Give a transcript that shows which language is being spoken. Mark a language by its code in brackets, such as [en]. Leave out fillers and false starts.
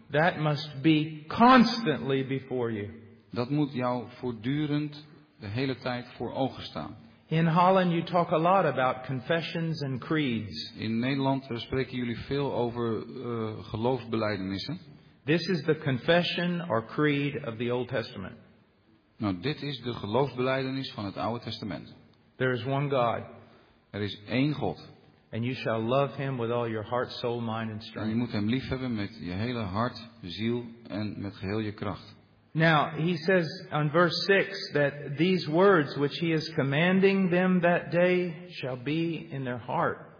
[en] That must be constantly before you. [nl] Dat moet jou voortdurend de hele tijd voor ogen staan. [en] In Holland you talk a lot about confessions and creeds. [nl] In Nederland spreken jullie veel over geloofsbelijdenissen. [en] This is the confession or creed of the Old Testament. [nl] Nou, dit is de geloofsbelijdenis van het Oude Testament. [en] There is one God. [nl] Er is één God. [en] And you shall love him with all your heart, soul, mind and strength. [nl] En je moet hem lief hebben met je hele hart, ziel en met geheel je kracht. [en] Now, he says on verse 6 that these words which he is commanding them that day shall be in their heart.